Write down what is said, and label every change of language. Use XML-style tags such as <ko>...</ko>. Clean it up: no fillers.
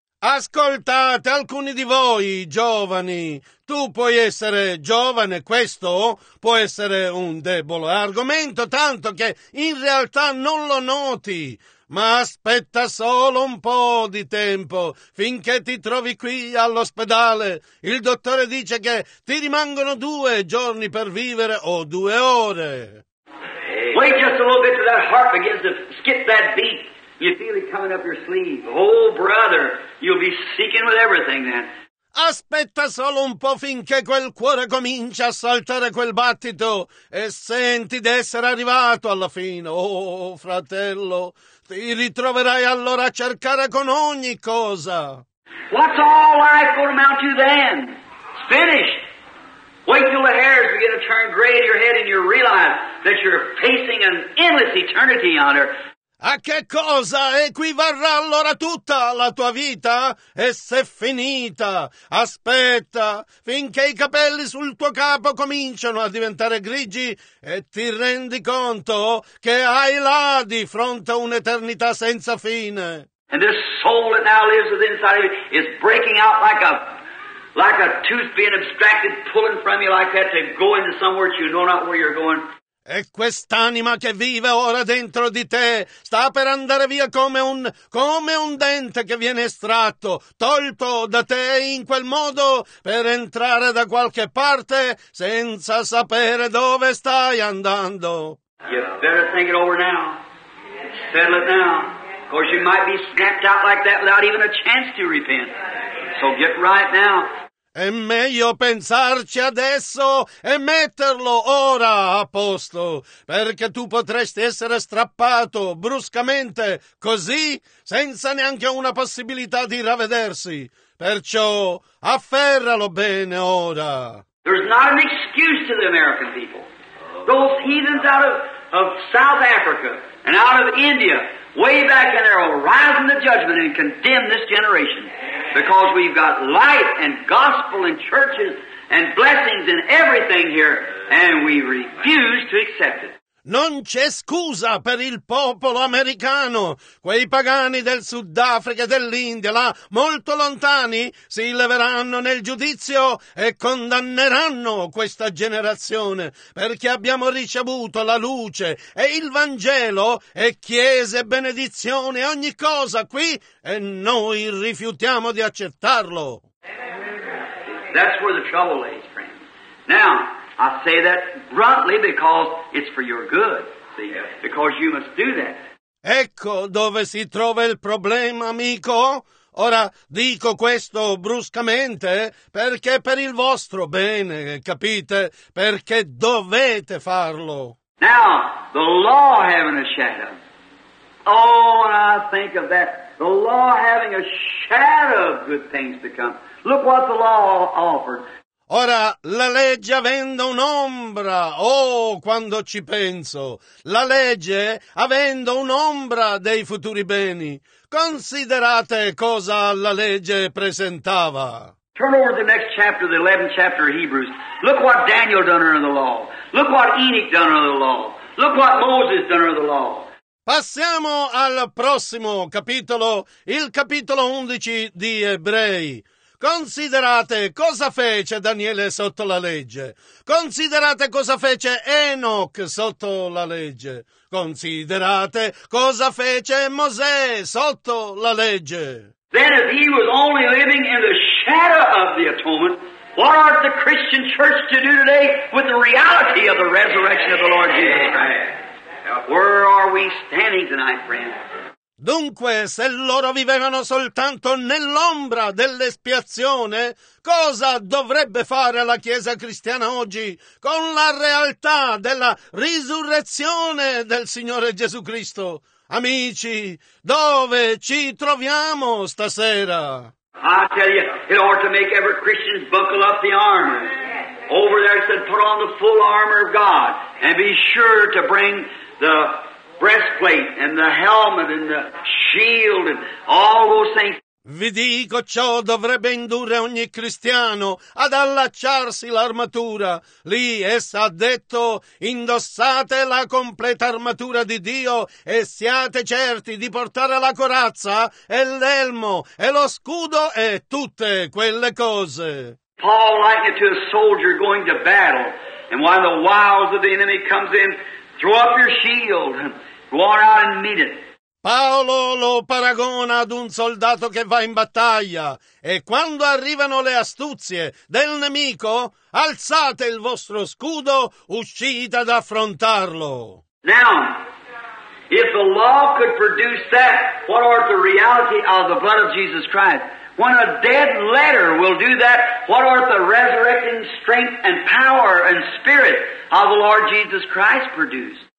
<it>Ascoltate, alcuni di voi, giovani, tu puoi essere giovane, questo può essere un debole argomento, tanto che in realtà non lo noti, ma aspetta solo un po' di tempo, finché ti trovi qui all'ospedale. Il dottore dice che ti rimangono 2 giorni per vivere, o 2 ore.</it> <en>Wait just a little bit till that heart begins to skip that beat. You feel it coming up your sleeve. Oh, brother, you'll be seeking with everything then.</en> <it>aspetta solo un po' finché quel cuore comincia a saltare quel battito e senti d'essere arrivato alla fine. Oh, fratello, ti ritroverai allora a cercare con ogni cosa.</it> <en>What's all life going to amount to then? It's finished. Wait till the hairs begin to turn gray in your head and you realize that you're facing an endless eternity on earth.</en> <it>A che cosa equivarrà allora tutta la tua vita? E se finita, aspetta finché i capelli sul tuo capo cominciano a diventare grigi e ti rendi conto che hai là di fronte a un'eternità senza fine.</it> <en>And this soul that now lives within inside of you is breaking out like a tooth being abstracted, pulling from you like that to go into somewhere that you know not where you're going.</en> <it>E quest'anima che vive ora dentro di te sta per andare via come un dente che viene estratto, tolto da te in quel modo per entrare da qualche parte senza sapere dove stai andando.</it> <en>You better think it over now. Settle it down. Of course you might be snapped out like that without even a chance to repent. So get right now.</en> <it>È meglio pensarci adesso e metterlo ora a posto, perché tu potresti essere strappato bruscamente, così, senza neanche una possibilità di ravvedersi. Perciò, afferralo bene ora.</it> <en>There's not an excuse to the American people. Those heathens out of South Africa and out of India, way back in there, will rise in the judgment and condemn this generation. Because we've got life and gospel and churches and blessings and everything here, and we refuse to accept it.</en> <it>Non c'è scusa per il popolo americano. Quei pagani del Sudafrica e dell'India, là molto lontani, si leveranno nel giudizio e condanneranno questa generazione, perché abbiamo ricevuto la luce e il Vangelo e chiese, benedizione e ogni cosa qui, e noi rifiutiamo di accettarlo.</it> <en>That's where the trouble lies, friend. Now, I say that bluntly because it's for your good, see, because you must do that.</en> <it>Ecco dove si trova il problema, amico. Ora dico questo bruscamente perché per il vostro bene, capite? Perché dovete farlo.</it> <en>Now, the law having a shadow. Oh, when I think of that, the law having a shadow of good things to come. Look what the law offered.</en> <it>Ora, la legge avendo un'ombra, oh, quando ci penso, la legge avendo un'ombra dei futuri beni, considerate cosa la legge presentava.</it> <en>Turn over to the next chapter, the 11th chapter of Hebrews. Look what Daniel done under the law. Look what Enoch done under the law. Look what Moses done under the law.</en> <it>Passiamo al prossimo capitolo, il capitolo 11 di Ebrei. Considerate cosa fece Daniele sotto la legge. Considerate cosa fece Enoch sotto la legge. Considerate cosa fece Mosè sotto la legge.</it> <en>Then if he was only living in the shadow of the atonement, what ought the Christian church to do today with the reality of the resurrection of the Lord Jesus Christ? Where are we standing tonight, friend?</en> <it>Dunque, se loro vivevano soltanto nell'ombra dell'espiazione, cosa dovrebbe fare la Chiesa cristiana oggi con la realtà della risurrezione del Signore Gesù Cristo? Amici, dove ci troviamo stasera?</it> <en>I tell you, it ought to make every Christian buckle up the armor. Over there said, put on the full armor of God and be sure to bring the breastplate and the helmet and the shield and all those things.</en> <it>Vi dico, ciò dovrebbe indurre ogni cristiano ad allacciarsi l'armatura. Lì essa ha detto, indossate la completa armatura di Dio e siate certi di portare la corazza e l'elmo e lo scudo e tutte quelle cose.</it> <en>Paul likened to a soldier going to battle, and while the wiles of the enemy comes in, throw up your shield and go on out and meet it.</en> <it>Paolo lo paragona ad un soldato che va in battaglia e quando arrivano le astuzie del nemico, alzate il vostro scudo, uscite ad affrontarlo.</it> <en>Now, if the law could produce that, what are the reality of the blood of Jesus Christ? When a dead letter will do that, what art the resurrecting strength and power and spirit of the Lord Jesus Christ produced?</en>